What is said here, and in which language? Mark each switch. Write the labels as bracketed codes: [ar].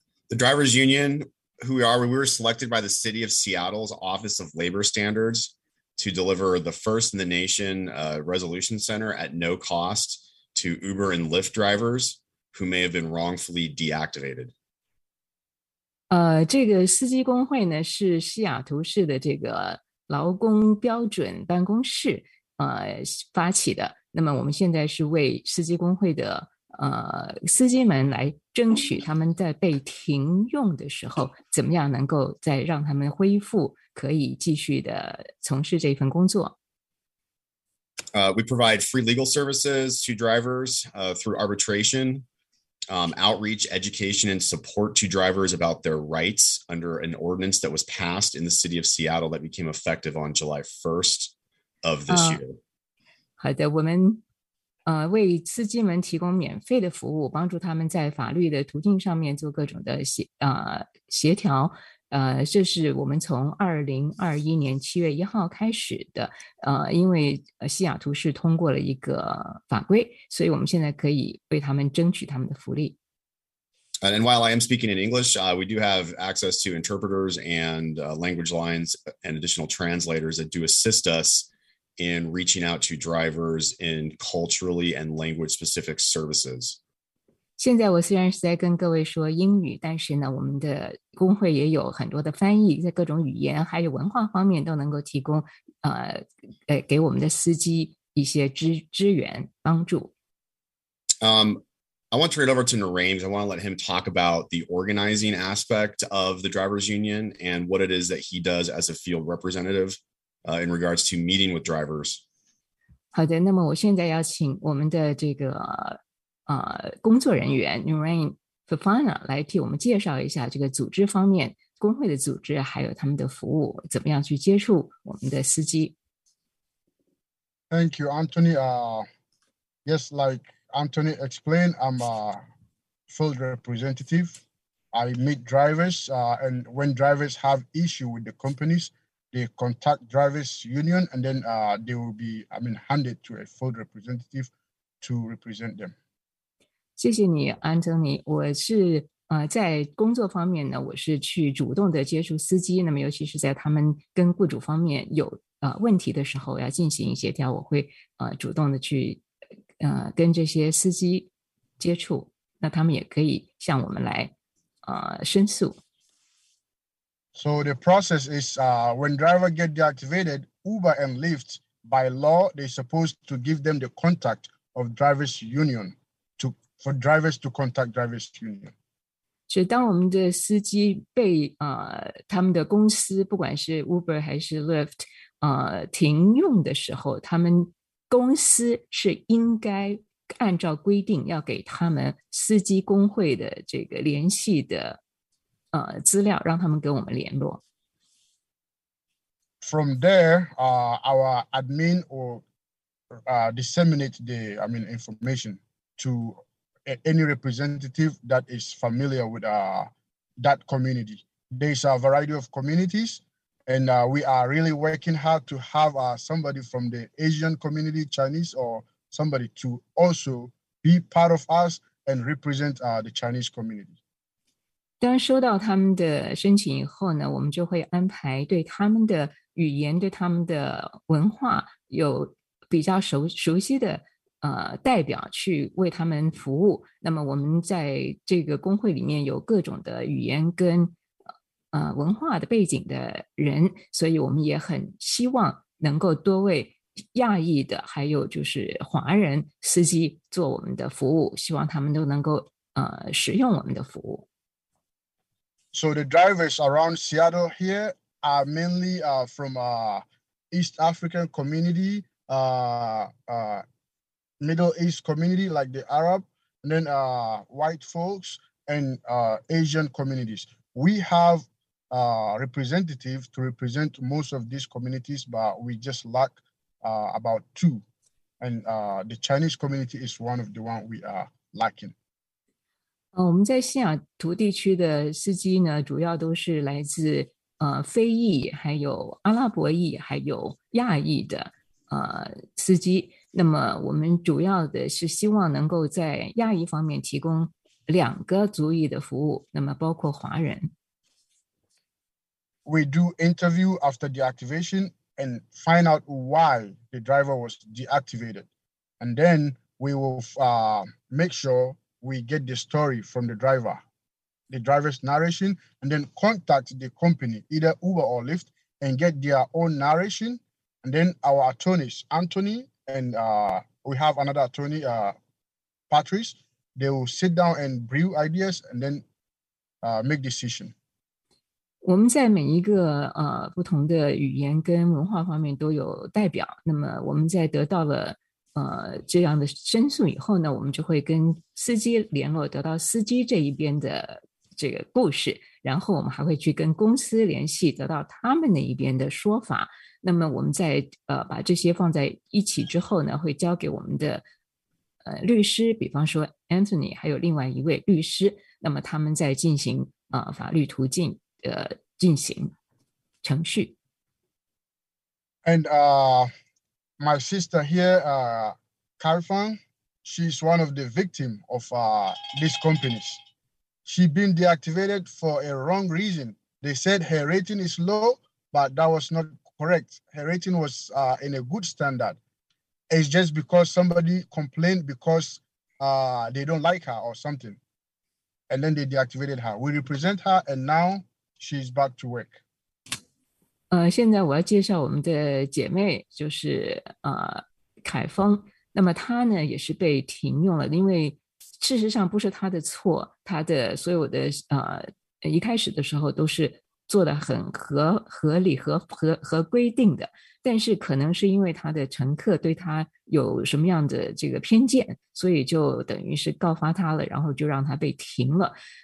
[en] The Drivers Union, who we are, we were selected by the City of Seattle's Office of Labor Standards to deliver the first in the nation resolution center at no cost to Uber and Lyft drivers who may have been wrongfully deactivated. [zh] 这个司机工会呢是西雅图市的这个劳工标准办公室发起的。那么我们现在是为司机工会的司机们来争取他们在被停用的时候怎么样能够再让他们恢复可以继续的从事这份工作。 [en] We provide free legal services to drivers through arbitration. Outreach, education, and support to drivers about their rights under an ordinance that was passed in the city of Seattle that became effective on July 1st of this year. [zh] 好的，我们为司机们提供免费的服务，帮助他们在法律的途径上面做各种的协调。这是我们从2021年7月1号开始的，因为西雅图市通过了一个法规，所以我们现在可以为他们争取他们的福利。 [en] And while I am speaking in English, we do have access to interpreters and language lines and additional translators that do assist us in reaching out to drivers in culturally and language specific services. [zh] 现在我虽然是在跟各位说英语，但是呢，我们的工会也有很多的翻译，在各种语言还有文化方面都能够提供，给我们的司机一些支援帮助。 [en] I want to turn it over to Nareem. I want to let him talk about the organizing aspect of the Drivers Union and what it is that he does as a field representative, in regards to meeting with drivers. [zh] 好的，那么我现在要请我们的这个。工作人员 Nurain Fofana 来替我们介绍一下这个组织方面工会的组织还有他们的服务怎么样去接触我们的司机。 [en] Thank you, Anthony. Yes, like Anthony explained, I'm a field representative I meet drivers, and when drivers have issue with the companies, they contact drivers union, and then they will be, I mean, handed to a field representative to represent them. [zh] 谢谢你，安东尼。我是在工作方面呢，我是去主动的接触司机。那么尤其是在他们跟雇主方面有问题的时候，要进行协调，我会主动的去跟这些司机接触。那他们也可以向我们来申诉。 [en] So the process is when driver get deactivated, Uber and Lyft by law they supposed to give them the contact of drivers union. For drivers to contact drivers union. [zh] 是当我们的司机被他们的公司，不管是 Uber 还是 Lyft， 停用的时候，他们公司是应该按照规定要给他们司机工会的这个联系的资料，让他们给我们联络。 [en] From there, our admin will disseminate the, I mean, information to. Any representative that is familiar with that community. There's a variety of communities, and we are really working hard to have somebody from the Asian community, Chinese, or somebody to also be part of us and represent the Chinese community. [zh] 当收到他们的申请以后呢，我们就会安排对他们的语言、对他们的文化有比较熟悉的代表去为他们服务。那么我们在这个工会里面有各种的语言跟文化的背景的人，所以我们也很希望能够多为亚裔的还有就是华人司机做我们的服务，希望他们都能够使用我们的服务。 [en] So the drivers around Seattle here are mainly from East African community, Middle East community like the Arab, and then white folks and Asian communities. We have a representative to represent most of these communities, but we just lack about two. And the Chinese community is one of the one we are lacking. [zh] 我们在西雅图地区的司机呢，主要都是来自非裔，还有阿拉伯裔，还有亚裔的司机。那么我们主要的是希望能够在亚裔方面提供两个族裔的服务，那么包括华人。 [en] We do interview after deactivation and find out why the driver was deactivated. And then we will make sure we get the story from the driver, the driver's narration, and then contact the company, either Uber or Lyft, and get their own narration. And then our attorneys, Anthony,And we have another attorney, Patrice. They will sit down and brew ideas and then make decision. [zh] 我们在每一个不同的语言跟文化方面都有代表。那么我们在得到了这样的申诉以后呢，我们就会跟司机联络，得到司机这一边的这个故事。然后我们还会去跟公司联系，得到他们那一边的说法。那么我们在把这些放在一起之后呢，会交给我们的律师，比方说 Anthony 还有另外一位律师，那么他们在进行法律途径进行程序。 [en] And my sister here, Carfan, she's one of the victims of these companies. She's been deactivated for a wrong reason. They said her rating is low, but that was notCorrect. Her rating was in a good standard. It's just because somebody complained because they don't like her or something. And then they deactivated her. We represent her and now she's back to work. [zh] 现在我要介绍我们的姐妹，就是凯峰。那么她呢也是被停用了，因为事实上不是她的错，她的所有的一开始的时候都是做得很合理和规定的，但是可能是因为他的乘客对他有什么样的这个偏见，所以就等于是告发他了，然后就让他被停了。